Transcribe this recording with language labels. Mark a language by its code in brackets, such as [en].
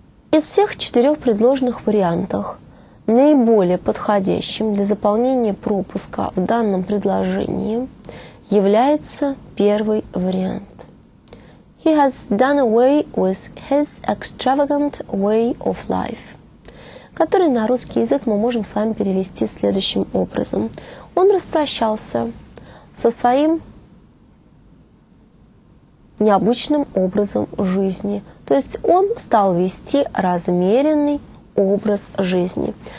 [ru] Из всех четырех предложенных вариантов наиболее подходящим для заполнения пропуска в данном предложении является первый вариант. [en] He has done away with his extravagant way of life. [ru] который на русский язык мы можем с вами перевести следующим образом. Он распрощался со своим необычным образом жизни. То есть он стал вести размеренный образ жизни.